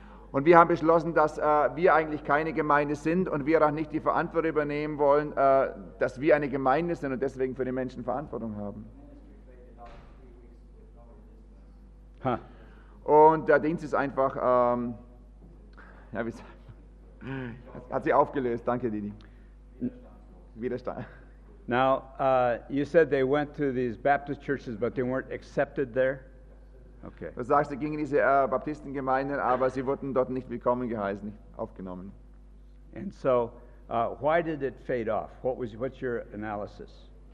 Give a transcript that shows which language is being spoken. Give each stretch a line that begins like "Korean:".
German: Und wir haben beschlossen, dass wir eigentlich keine Gemeinde sind und wir auch nicht die Verantwortung übernehmen wollen, dass wir eine Gemeinde sind und deswegen für die Menschen Verantwortung haben. Und der Dienst ist einfach, hat sie aufgelöst. Danke, Didi. Widerstand.
English: Now, you said they went to these Baptist churches, but they weren't accepted there? Okay.
German: Du sagst, sie gingen in diese Baptistengemeinden, aber sie wurden dort nicht willkommen geheißen, nicht aufgenommen.
English: And so, why did it fade off? What's your analysis?